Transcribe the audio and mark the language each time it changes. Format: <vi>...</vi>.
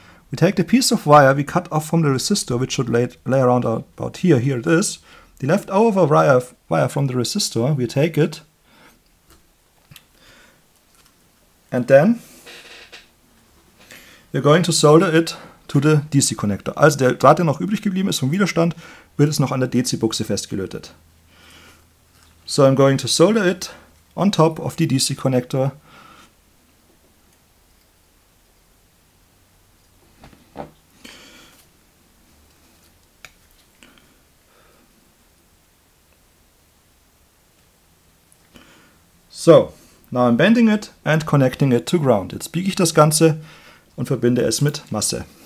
<en>We take the piece of wire we cut off from the resistor, which should lay around about here. Here it is. The leftover wire from the resistor, we take it. And then we're going to solder it to the DC connector.</en> <de>Also der Draht, der noch übrig geblieben ist vom Widerstand, wird es noch an der DC-Buchse festgelötet.</de> <en>So I'm going to solder it on top of the DC connector. So, now I'm bending it and connecting it to ground.</en> <de>Jetzt biege ich das Ganze und verbinde es mit Masse.</de>